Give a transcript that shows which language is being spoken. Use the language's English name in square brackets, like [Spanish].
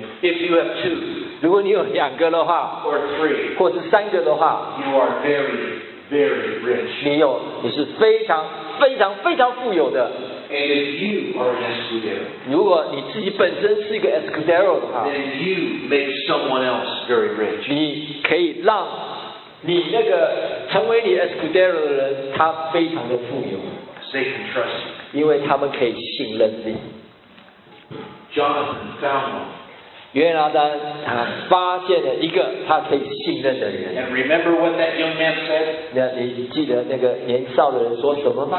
[English] If you have two, [Chinese] 如果你有两个的话 [English] ，or three, [Chinese] 或是三个的话 [English] ，You are very, very rich. [Chinese] 你是非常。非常非常富有的。 [English] And if you are an Escudero, [Chinese] 如果你自己本身是一个 Escudero 的话 [English] then you make someone else very rich. [Chinese] 你可以让你那个成为你 Escudero 的人他非常的富有 [English] They can trust you. [Chinese] 因为他们可以信任你 [English] Jonathan found one. [Chinese] 约拿丹他发现了一个他可以信任的人 [English] And remember what that young man said? [Chinese] 你记得那个年少的人说什么吗